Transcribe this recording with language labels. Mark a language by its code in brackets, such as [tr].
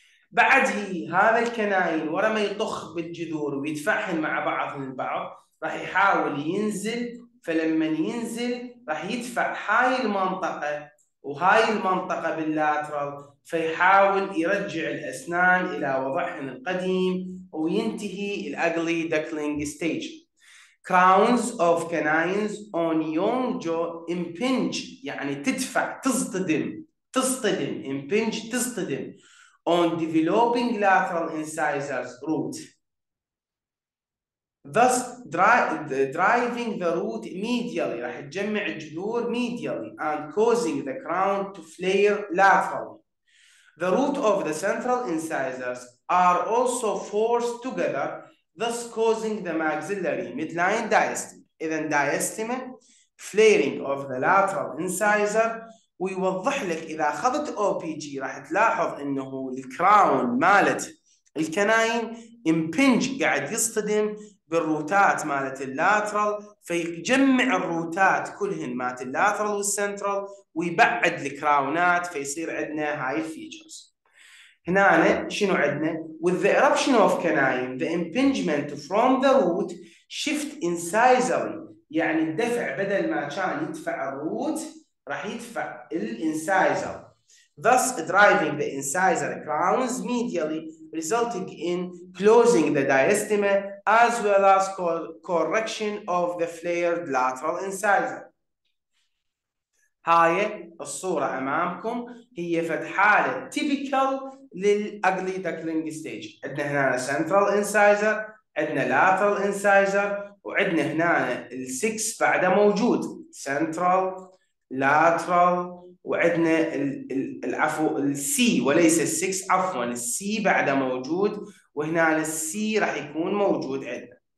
[ar] بعده هذا الكناين ورا ما يطخ بالجذور ويتفحل مع بعض من بعض راح يحاول ينزل، فلما ينزل راح يدفع هاي المنطقه وهاي المنطقة باللاترال، فيحاول يرجع الأسنان إلى وضعهن القديم وينتهي الأجلي دكلينج ستيج. [en] Crowns of canines on young jaw impinge، [ar] يعني تدفع تصطدم تصطدم [en] impinge [ar] تصطدم [en] on developing lateral incisors root، thus driving the root medially، [ar] راح تجمع الجذور [en] medially and causing the crown to flare laterally. The root of the central incisors are also forced together, thus causing the maxillary midline diastema. [ar] إذا [en] diastema flaring of the lateral incisor، [ar] ويوضح لك إذا أخذت OPG راح تلاحظ إنه الكراون مالت الكناين امبنج قاعد يصطدم بالروتات مالت اللاترال، فيجمع الروتات كلهن مالت اللاترال والسنترال ويبعد الكراونات، فيصير عندنا هاي الفيتشرز. هنا شنو عندنا؟ [en] With the eruption of canine, the impingement from the root shift incisory، [ar] يعني الدفع بدل ما كان يدفع الروت راح يدفع الانسايزر، [en] thus driving the incisor crowns medially resulting in closing the diastema as well as correction of the flared lateral incisor. [ar] هاي الصورة أمامكم هي فد حالة typical للأغلي دكلينج ستيج. عندنا هنا central incisor، عندنا lateral incisor، وعندنا هنا السكس بعده موجود central lateral، وعندنا العفو السي وليس السكس، عفوا السي بعده موجود، وهنا السي راح يكون موجود عندنا.